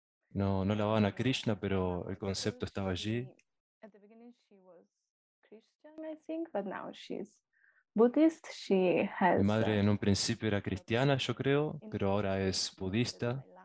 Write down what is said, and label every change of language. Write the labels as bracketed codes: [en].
[es] No lavaban a Krishna, pero el concepto estaba allí. [en] At the beginning she was Christian, I think, but now she's Buddhist. She has [es] mi madre en un principio era cristiana, yo creo, pero ahora es budista.